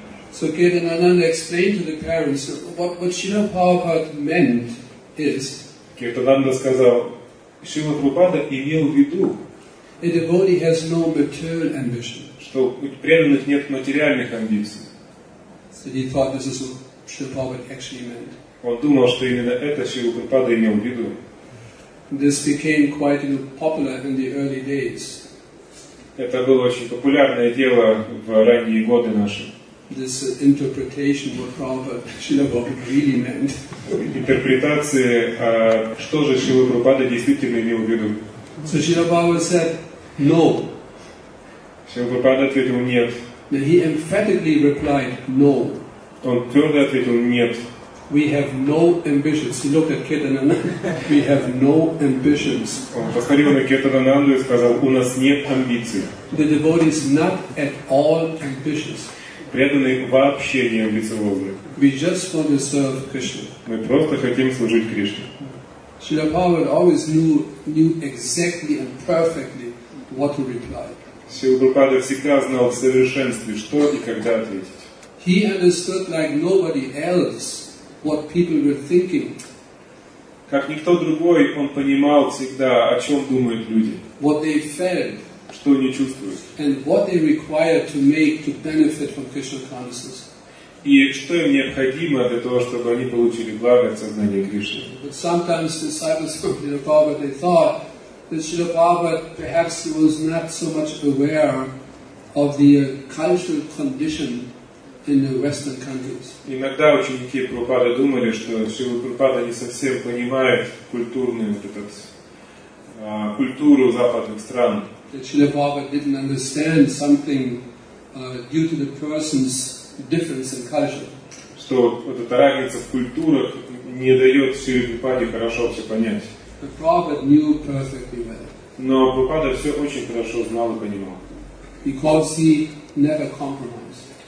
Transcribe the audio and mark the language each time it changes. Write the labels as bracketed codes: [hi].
[en] So Kirtanananda explained to the parents what Srila Prabhupada meant is. [ru] Киртананда сказал, Шрила Прабхупада имел в виду. [en] A devotee has no material ambition. [ru] Что у преданных нет материальных амбиций. [en] So he thought this is what Srila Prabhupada actually meant. [ru] Он думал, что именно это Шрила Прабхупада имел в виду. [en] This became quite popular in the early days. [ru] Это было очень популярное дело в ранние годы наши. [en] This interpretation of what Srila Prabhupada really meant. [ru] Интерпретация, что же Шрила Прабхупада действительно имел в виду. [en] So Srila Prabhupada said, no. [ru] Шрила Прабхупада ответил, нет. [en] And he emphatically replied, no. [ru] Он твердо ответил, нет. [en] We have no ambitions. He looked at Kirtanananda. We have no ambitions. [ru] Он посмотрел на Киртанананду и сказал, у нас нет амбиций. [en] The devotee is not at all ambitious. [ru] Преданный вообще не амбициозный. [en] We just want to serve Krishna. [ru] Мы просто хотим служить Кришне. [en] Srila Prabhupada always knew exactly and perfectly what to reply. [ru] Srila Prabhupada всегда знал в совершенстве, что и когда ответить. [en] He understood like nobody else what people were thinking. [ru] Как никто другой, он понимал всегда, о чем думают люди. [en] What they felt. [ru] Что они чувствуют. [en] And what they require to make to benefit from Krishna consciousness. [ru] И что им необходимо для того, чтобы они получили благо от сознания Кришны. [en] But sometimes disciples of Srila Prabhupada, they thought that Srila Prabhupada, perhaps he was not so much aware of the cultural condition in the Western countries. [ru] Иногда ученики Прабхупады думали, что Srila Prabhupada не совсем понимает культуру западных стран. [en] That Srila Prabhupada didn't understand something due to the person's difference in culture. [ru] Что вот эта разница в культурах не дает Шриле Прабхупаде хорошо все понять. [en] But Prabhupada knew perfectly well. [ru] Но Прабхупада все очень хорошо знал и понимал. [en] Because he never compromised.